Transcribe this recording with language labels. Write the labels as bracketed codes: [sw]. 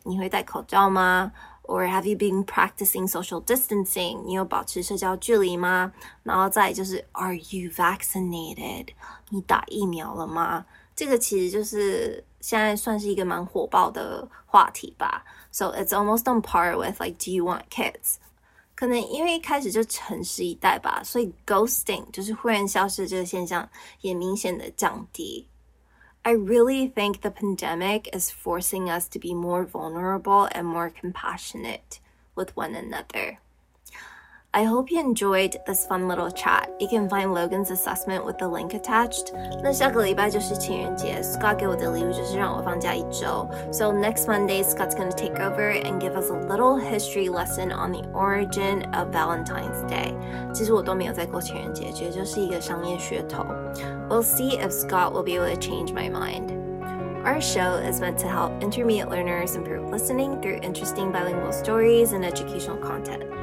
[zh] 你会戴口罩吗？ [en] Or have you been practicing social distancing? [zh] 你有保持社交距离吗？然后再就是 [en] Are you vaccinated? [zh] 你打疫苗了吗？这个其实就是现在算是一个蛮火爆的话题吧。 [en] So it's almost on par with like Do you want kids? [zh] 可能因为一开始就城市一代吧，所以 ghosting 就是忽然消失这个现象也明显的降低。 [en] I really think the pandemic is forcing us to be more vulnerable and more compassionate with one another. I hope you enjoyed this fun little chat. You can find Logan's assessment with the link attached. [zh] 那下个礼拜就是情人节， Scott 给我的礼物就是让我放假一周。 [en] So next Monday, Scott's going to take over and give us a little history lesson on the origin of Valentine's Day. [zh] 其实我都没有在过情人节，其实就是一个商业噱头。 [en] We'll see if Scott will be able to change my mind. Our show is meant to help intermediate learners improve listening through interesting bilingual stories and educational content.